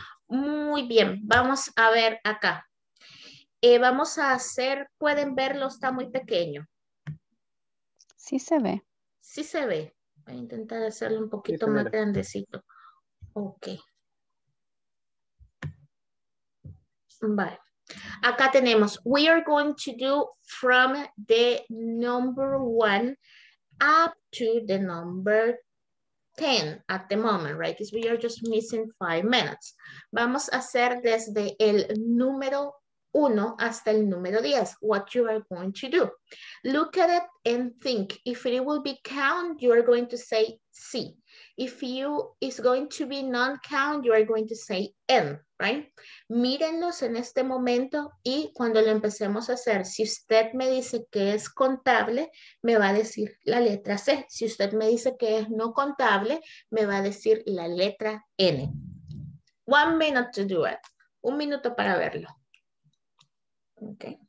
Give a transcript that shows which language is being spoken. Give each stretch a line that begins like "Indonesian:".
Spanish: Muy bien, vamos a ver acá. Vamos a hacer, ¿pueden verlo? Está muy pequeño. Sí se ve. Sí se ve. Voy a intentar hacerlo un poquito más grandecito. Ok. Vale. Acá tenemos,
English: we are going to do from the number one up to the number 10 at the moment, right? Because we are just missing 5 minutes.
Spanish: Vamos a hacer desde el número 1 hasta el número 10,
English: what you are going to do. Look at it and think. If it will be count, you are going to say C. If you is going to be non-count, you are going to say N, right?
Spanish: Mírenlos en este momento y cuando lo empecemos a hacer, si usted me dice que es contable, me va a decir la letra C. Si usted me dice que es no contable, me va a decir la letra N.
English: 1 minute to do it.
Spanish: 1 minuto para verlo.
English: Ok.